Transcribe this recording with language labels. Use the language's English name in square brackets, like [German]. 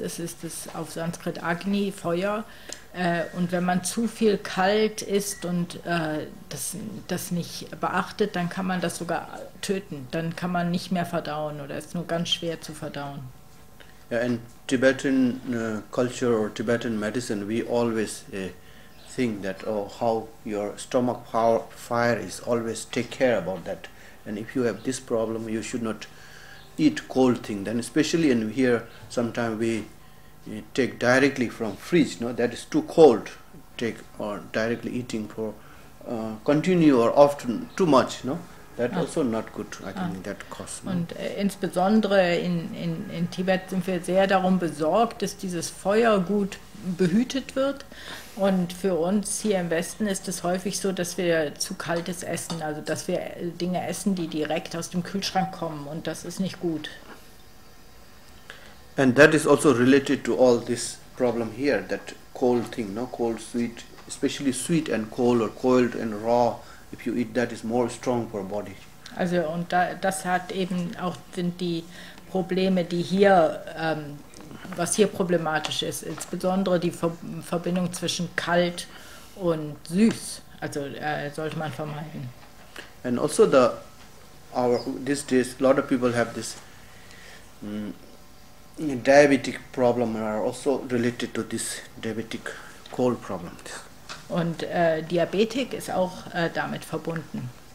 [German] Es ist das auf Sanskrit Agni, Feuer. Und wenn man zu viel kalt isst und das nicht beachtet, dann kann man das sogar töten. Dann kann man nicht mehr verdauen oder ist nur ganz schwer zu verdauen. [English] In Tibetan culture or Tibetan medicine, we always think that oh, how your stomach power fire is always take care about that. And if you have this problem, you should not eat cold thing. Then especially in here, sometimes we take directly from fridge. No, that is too cold. Take or directly eating for continue or often too much. No, that also not good. I think that costs money. [German] Und insbesondere in Tibet sind wir sehr darum besorgt, dass dieses Feuer gut behütet wird. Und für uns hier im Westen ist es häufig so, dass wir zu kaltes essen, also dass wir Dinge essen, die direkt aus dem Kühlschrank kommen. Und das ist nicht gut. [English] And that is also related to all this problem here, that cold thing, no? Cold, sweet, especially sweet and cold or cold and raw, if you eat that is more strong for body. [German] Also und das hat eben auch sind die Probleme, die hier, was hier problematisch ist, insbesondere die Verbindung zwischen kalt und süß. Also sollte man vermeiden. [English] And also the our these days a lot of people have this diabetic problem are also related to this diabetic cold problem. [German] Und Diabetik ist auch damit verbunden.